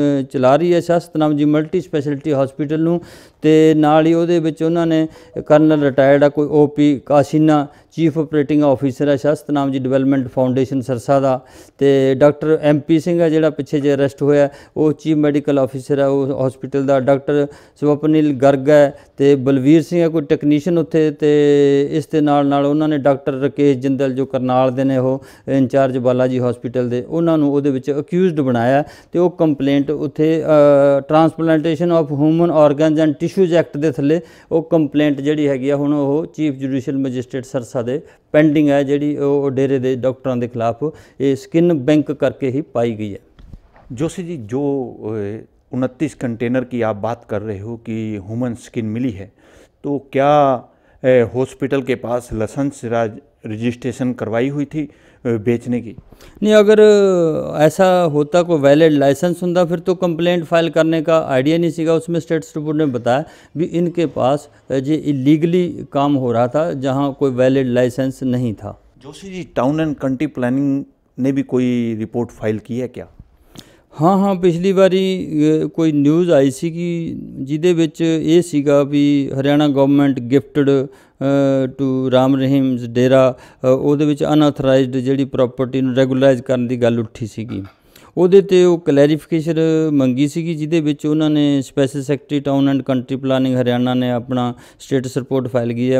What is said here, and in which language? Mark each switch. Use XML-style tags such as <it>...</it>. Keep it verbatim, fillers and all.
<pa>ਚਲਾ ਰਹੀ ਹੈ ਸ਼ਾਹ ਸਤਨਾਮ ਜੀ ਮਲਟੀ ਸਪੈਸ਼ਲਿਟੀ ਹੌਸਪੀਟਲ ਨੂੰ, ਅਤੇ ਨਾਲ ਹੀ ਉਹਦੇ ਵਿੱਚ ਉਹਨਾਂ ਨੇ ਕਰਨਲ ਰਿਟਾਇਰਡ ਆ ਕੋਈ ਓ ਪੀ ਕਾਸ਼ੀਨਾ, ਚੀਫ ਆਪਰੇਟਿੰਗ ਆਫਿਸਰ ਹੈ ਸ਼ਾਹ ਸਤਨਾਮ ਜੀ ਡਿਵੈਲਪਮੈਂਟ ਫਾਊਂਡੇਸ਼ਨ ਸਰਸਾ ਦਾ, ਅਤੇ ਡਾਕਟਰ ਐਮ ਪੀ ਸਿੰਘ ਹੈ ਜਿਹੜਾ ਪਿੱਛੇ ਜੇ ਅਰੈਸਟ ਹੋਇਆ ਉਹ ਚੀਫ ਮੈਡੀਕਲ ਆਫਿਸਰ ਹੈ ਉਹ ਹੌਸਪੀਟਲ ਦਾ, ਡਾਕਟਰ ਸਵਪਨਿਲ ਗਰਗ ਹੈ, ਅਤੇ ਬਲਵੀਰ ਸਿੰਘ ਹੈ ਕੋਈ ਟੈਕਨੀਸ਼ੀਅਨ ਉੱਥੇ, ਅਤੇ ਇਸ ਦੇ ਨਾਲ ਨਾਲ ਉਹਨਾਂ ਨੇ ਡਾਕਟਰ ਰਕੇਸ਼ ਜਿੰਦਲ ਜੋ ਕਰਨਾਲ ਦੇ ਨੇ ਉਹ ਇੰਚਾਰਜ ਬਾਲਾਜੀ ਹੌਸਪੀਟਲ ਦੇ, ਉਹਨਾਂ ਨੂੰ ਉਹਦੇ ਵਿੱਚ ਅਕਿਊਜ਼ਡ ਬਣਾਇਆ। ਅਤੇ ਉਹ ਕੰਪਲੇਂਟ ਉੱਥੇ transplantation of human ਆਰਗਨਜ਼ and tissues act ਦੇ ਥੱਲੇ ਉਹ ਕੰਪਲੇਂਟ ਜਿਹੜੀ ਹੈਗੀ ਆ ਹੁਣ ਉਹ ਚੀਫ ਜੁਡੀਸ਼ੀਅਲ ਮੈਜਿਸਟਰੇਟ ਸਰਸਾ ਦੇ ਪੈਂਡਿੰਗ ਹੈ, ਜਿਹੜੀ ਉਹ ਡੇਰੇ ਦੇ ਡਾਕਟਰਾਂ ਦੇ ਖਿਲਾਫ ਇਹ ਸਕਿਨ ਬੈਂਕ ਕਰਕੇ ਹੀ ਪਾਈ ਗਈ ਹੈ।</pa> <hi>जोशी जी, जो उनतीस कंटेनर की आप बात कर रहे हो कि ह्यूमन स्किन मिली है, तो क्या हॉस्पिटल के पास लाइसेंस रजिस्ट्रेशन करवाई हुई थी बेचने की? नहीं, अगर ऐसा होता कोई वैलिड लाइसेंस होता फिर तो कंप्लेंट फाइल करने का आइडिया नहीं सीगा। उसमें स्टेट्स रिपोर्ट ने बताया भी इनके पास ये इलीगली काम हो रहा था जहां कोई वैलिड लाइसेंस नहीं था। Joshi ji, town and country planning ने भी कोई रिपोर्ट फाइल की है क्या?</hi> <pa>ਹਾਂ ਹਾਂ ਪਿਛਲੀ ਵਾਰੀ ਅ, ਕੋਈ ਨਿਊਜ਼ ਆਈ ਸੀ ਕਿ ਜਿਹਦੇ ਵਿੱਚ ਇਹ ਸੀਗਾ ਵੀ Haryana</pa> <en>government gifted to</en> <pa>Ram ਰਹੀਮਸ ਡੇਰਾ, ਅ, ਉਹਦੇ ਵਿੱਚ ਅਨਆਥੋਰਾਈਜ਼ਡ ਜਿਹੜੀ ਪ੍ਰਾਪਰਟੀ ਨੂੰ ਰੈਗੂਲਰਾਈਜ਼ ਕਰਨ ਦੀ ਗੱਲ ਉੱਠੀ ਸੀਗੀ। ਉਹਦੇ ਤੇ ਉਹ ਕਲੈਰੀਫਿਕੇਸ਼ਨ ਮੰਗੀ ਸੀਗੀ, ਜਿਹਦੇ ਵਿੱਚ ਉਹਨਾਂ ਨੇ special secretary town and country planning Haryana ਨੇ ਆਪਣਾ ਸਟੇਟਸ ਰਿਪੋਰਟ ਫਾਈਲ ਕੀਤੀ ਹੈ।</pa>